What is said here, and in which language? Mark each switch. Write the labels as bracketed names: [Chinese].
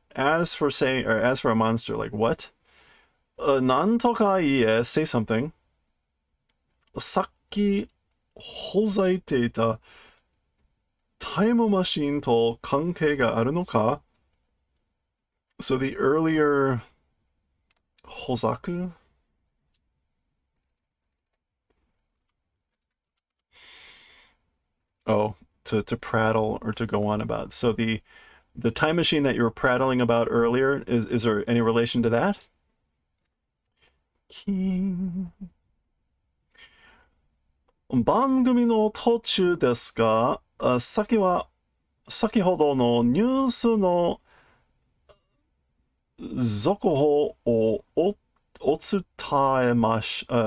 [English] As for saying, or as for a monster, like what? [Japanese] なんとか言え, [English] say something. [Japanese] さっきほざいていたタイムマシンと関係があるのか? [English] So the earlier hozaku? Oh. To prattle or to go on about. So the time machine that you were prattling about earlier, is there any relation to that? King. [Japanese] 番組の途中ですが、先ほどのニュースの続報をお伝えします。